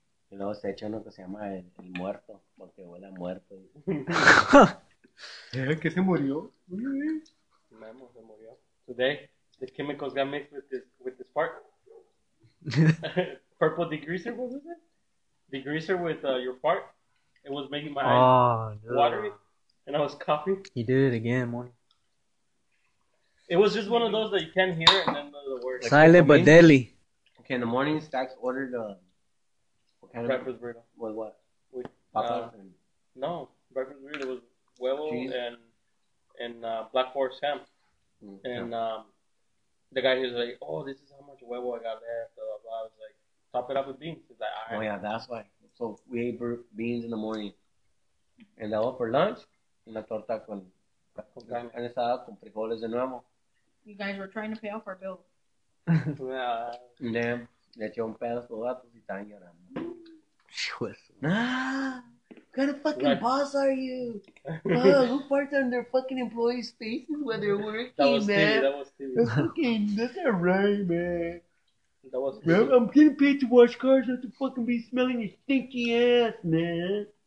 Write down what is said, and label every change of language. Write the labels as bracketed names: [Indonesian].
[Spanish] Y luego se echa uno que se llama el muerto porque huele a muerto. ¿Qué se murió? Memo se murió. [English] Today, the chemicals got mixed with this part. Purple degreaser, what was it? Degreaser with your fart. It was making my eyes watery. And I was coughing. He did it again, Morty. It was just one of those that you can't hear and then the words. Silent but deadly. Okay, in the morning, Stacks ordered what kind of breakfast burrito. With what? With [Spanish] papas [English] No, breakfast burrito was huevo and black forest ham. Mm-hmm. And the guy, he was like, oh, this is how much huevo I got left. Blah, blah, blah. I was like, top it up with beans. He's like, right. Oh, yeah, that's why. So we ate beans in the morning. And that was for lunch. [Spanish] Una torta con carne asada con frijoles de nuevo. [English] You guys were trying to pay off our bill. Yeah. And then, [Spanish] le eché un pedazo de gatos y están llorando. [English] What kind of fucking boss are you? Who parts on their fucking employees' faces when they're working, that was man? Stevie, that was Stevie. That's fucking, that's not right, man. That was man, I'm getting paid to wash cars. I have to fucking be smelling your stinky ass, man.